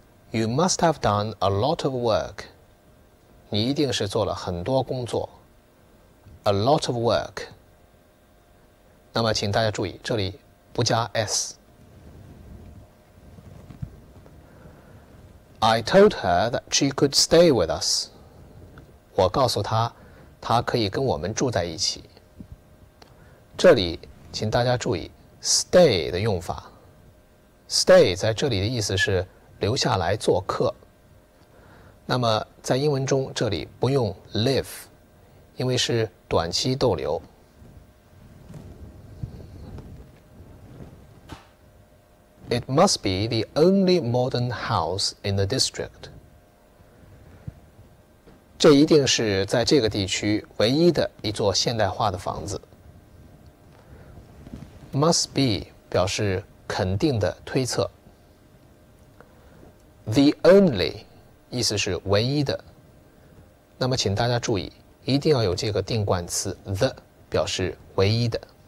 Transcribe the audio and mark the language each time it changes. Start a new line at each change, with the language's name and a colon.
English: You must have done a lot of work.
Chinese: 你一定是做了很多工作。
English: A lot of work.
Chinese: 那么请大家注意，这里不加 s。
English: I told her that she could stay with us.
Chinese: 我告诉她，她可以跟我们住在一起。这里请大家注意 stay 的用法。 Stay 在这里的意思是留下来做客。那么在英文中这里不用 live, 因为是短期逗留。
English: It must be the only modern house in the district.
Chinese: 这一定是在这个地区唯一的一座现代化的房子。
English: Must be
Chinese: 表示肯定的推测。
English: The only
Chinese: 意思是唯一的，那么请大家注意，一定要有这个定冠词 the 表示唯一的。